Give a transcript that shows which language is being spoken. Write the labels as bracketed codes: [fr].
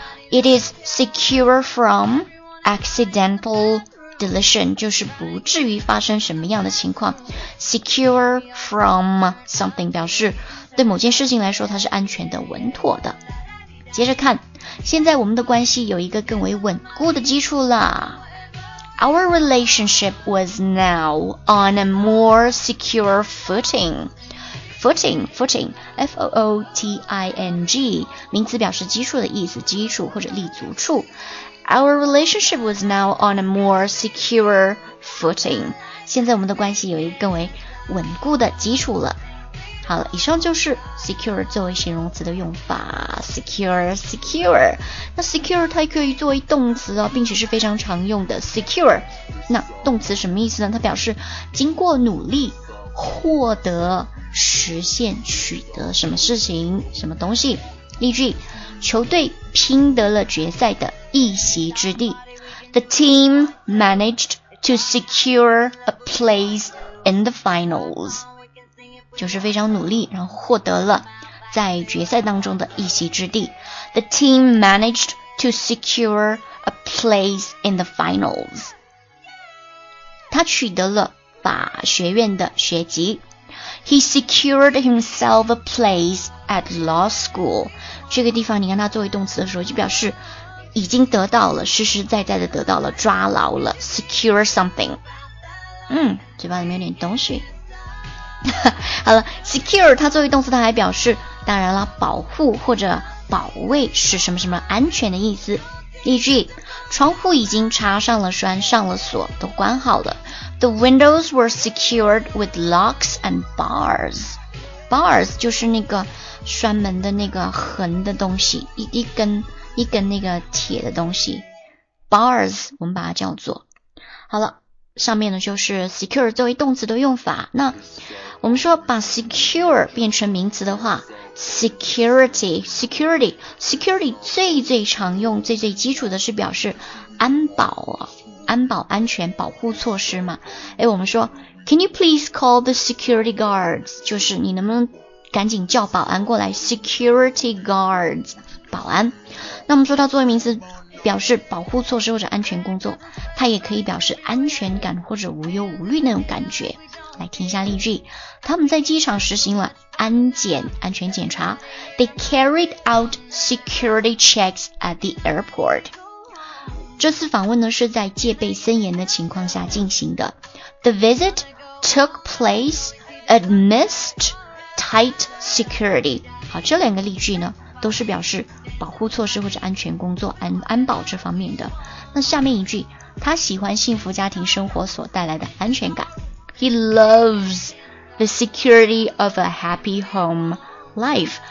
[en] It is secure from accidental deletion, [zh] 就是不至于发生什么样的情况。 Secure from something 表示对某件事情来说它是安全的、稳妥的。接着看，现在我们的关系有一个更为稳固的基础了。 [en] Our relationship was now on a more secure footing. [zh] Footing, F-O-O-T-I-N-G, 名词表示基础的意思，基础或者立足处。 [en] Our relationship was now on a more secure footing. [zh] 现在我们的关系有一个更为稳固的基础了。好了，以上就是 secure 作为形容词的用法。 Secure. 那 secure 它可以作为动词哦，并且是非常常用的 secure。那动词什么意思呢？它表示经过努力获得、实现、取得什么事情、什么东西。例句，球队拼得了决赛的一席之地。 [en] The team managed to secure a place in the finals. [zh] 就是非常努力，然后获得了在决赛当中的一席之地。 [en] The team managed to secure a place in the finals. [zh] 他取得了法学院的学籍。 [en] He secured himself a place at law school. [zh] 这个地方你看它作为动词的时候就表示已经得到了，实实在在的得到了，抓牢了， secure something. 嗯，嘴巴里面有点东西。好了， secure 它作为动词它还表示，当然了，保护或者保卫是什么什么安全的意思。例句，窗户已经插上了栓，上了锁，都关好了。 [en] The windows were secured with locks and bars. [zh] Bars 就是那个栓门的那个横的东西，一根那个铁的东西。 Bars 我们把它叫做。好了，上面呢就是 secure 作为动词的用法。那我们说把 secure 变成名词的话，Security 最最常用、最最基础的是表示安保啊，安保、安全、保护措施嘛。 [en] 哎， [zh] 我们说 [en] ，Can you please call the security guards？ [zh] 就是你能不能赶紧叫保安过来 ？Security guards， 保安。那我们说它作为名词，表示保护措施或者安全工作，它也可以表示安全感或者无忧无虑那种感觉。来听一下例句，他们在机场实行了安全检查。 [en] They carried out security checks at the airport. [zh] 这次访问呢是在戒备森严的情况下进行的。 [en] The visit took place amidst tight security. [zh] 好，这两个例句呢都是表示保护措施或者安全工作、安保这方面的。那下面一句，他喜欢幸福家庭生活所带来的安全感。 [en] He loves the security of a happy home life.